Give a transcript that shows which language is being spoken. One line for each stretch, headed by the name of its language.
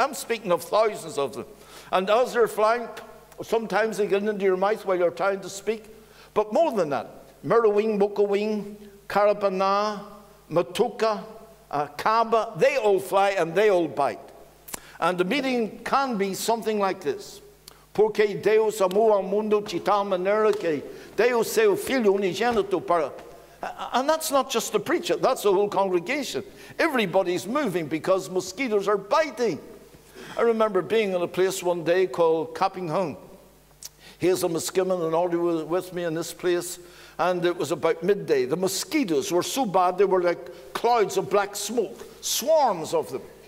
English: I'm speaking of thousands of them. And as they're flying, sometimes they get into your mouth while you're trying to speak. But more than that, Murrowing, Mokowing, Carabana, Matuka, Kaba, they all fly and they all bite. And the meeting can be something like this.
Portuguese: Porque Deus amou ao mundo de tal maneira que deu seu filho unigênito para...
English: And that's not just the preacher, that's the whole congregation. Everybody's moving because mosquitoes are biting. I remember being in a place one day called Capping Hung. Here's a muskimen and all were with me in this place, and it was about midday. The mosquitoes were so bad, they were like clouds of black smoke, swarms of them.